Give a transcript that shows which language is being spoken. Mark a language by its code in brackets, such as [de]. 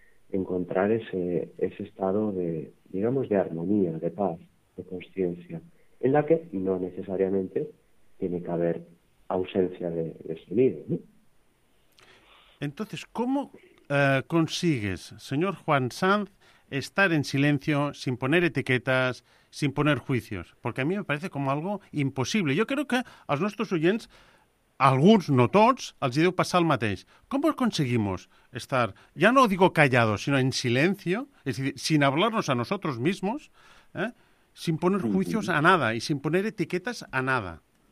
[es] encontrar ese estado de, digamos, de armonía, de paz, de conciencia, en la que no necesariamente tiene que haber ausencia de sonido, ¿no? Entonces, ¿cómo consigues, señor Juan Sanz, estar en silencio, sin poner etiquetas, sin poner juicios? Porque a mí me parece como algo imposible. [ca] Yo creo que als nostres oients, alguns, no tots, els hi deu passar el mateix. [es] Com aconseguimos estar, ja no digo callado, sino en silencio, es decir, sin hablarnos a nosotros mismos, sin poner juicios a nada y sin poner etiquetas a nada?